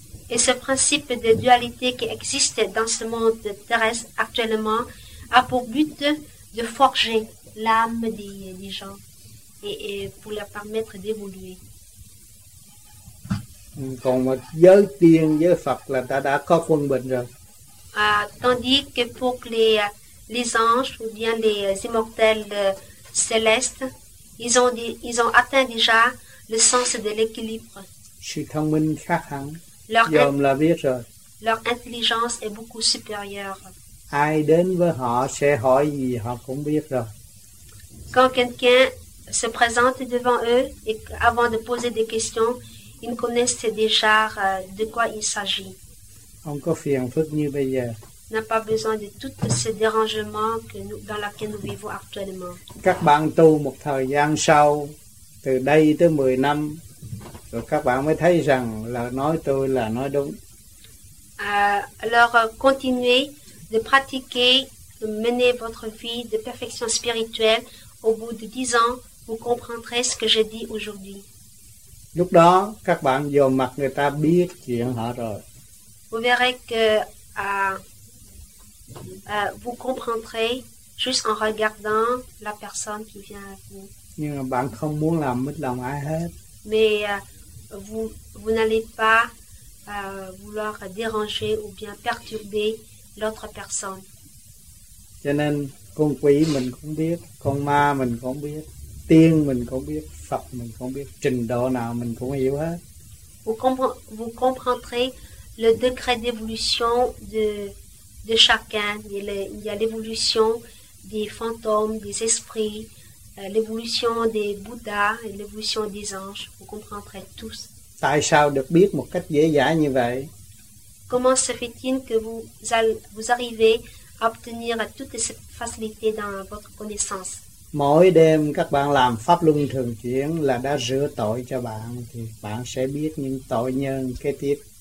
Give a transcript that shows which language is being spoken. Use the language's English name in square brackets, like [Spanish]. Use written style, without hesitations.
[French] Et ce principe de dualité qui existe dans ce monde terrestre actuellement a pour but de forger l'âme des gens. Et pour leur permettre d'évoluer. [Vietnamese] Còn mà giới tiên giới Phật là ta đã có quân bình rồi. [French] Tandis que pour les anges ou bien les immortels célestes, ils ont atteint déjà le sens de l'équilibre. [Vietnamese] Sự thông minh khác hẳn. Giờ là biết rồi. [French] Leur intelligence est beaucoup supérieure. [Vietnamese] Ai đến với họ sẽ hỏi gì họ cũng biết rồi. [French] Quand quelqu'un se présentent devant eux et avant de poser des questions, ils connaissent déjà de quoi il s'agit. N'a pas besoin de tout ce dérangement dans lequel nous vivons actuellement. [Vietnamese] Các bạn tu một thời gian sau, từ đây tới 10 năm, rồi các bạn mới thấy rằng là nói tôi là nói đúng. [French] Alors continuez de pratiquer, de mener votre vie de perfection spirituelle, au bout de 10 ans, vous comprendrez ce que je dis aujourd'hui. [Vietnamese] Lúc đó, các bạn vô mặt người ta biết chuyện họ rồi. [French] Vous verrez que vous comprendrez juste en regardant la personne qui vient à vous. [Vietnamese] Nhưng mà bạn không muốn làm mất lòng ai hết. [French] Mais vous n'allez pas vouloir déranger ou bien perturber l'autre personne. [Vietnamese] Cho nên con quỷ mình cũng biết, con ma mình cũng biết, tiên mình cũng biết, Phật mình cũng biết, trình độ nào mình cũng hiểu hết. [French] Vous comprendrez le degré d'évolution de chacun. Il y a l'évolution des fantômes, des esprits, l'évolution des Bouddhas, l'évolution des anges. Vous comprendrez tous. [Vietnamese] Tại sao được biết một cách dễ dàng như vậy? [French] Comment se fait-il que vous arrivez à obtenir toutes ces facilités dans votre connaissance? [Vietnamese] Mỗi đêm các bạn làm pháp luân thường chuyển là đã rửa tội cho bạn, thì bạn sẽ biết những tội nhân kế tiếp.